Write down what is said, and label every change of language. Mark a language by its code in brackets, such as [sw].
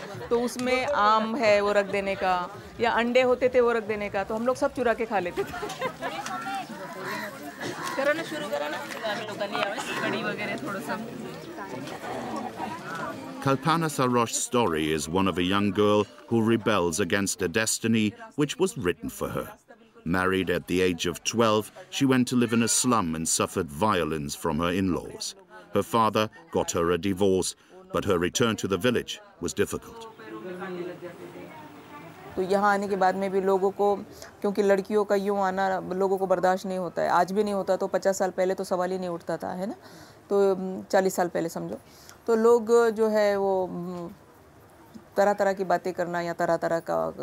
[hi] तो उसमें आम है वो रख देने का या अंडे होते थे वो रख देने का तो हम लोग सब चुरा के खा लेते थे करो ना शुरू करो ना हम लोग का नहीं आवे कड़ी वगैरह थोड़ा सा [en] Kalpana Sarosh's story is one of a young girl who rebels against a destiny which was written for her. Married at the age of 12, she went to live in a slum and suffered violence from her in-laws. Her father got her a divorce, but her return to the village was difficult. [hi] तो यहाँ आने के बाद में भी लोगों को क्योंकि लड़कियों का यूँ आना लोगों को बर्दाश्त नहीं होता है आज भी नहीं होता तो 50 साल पहले तो सवाल ही नहीं उठता था है ना तो 40 साल पहले समझो तो लोग जो है वो तरह तरह की बातें करना या तरह तरह का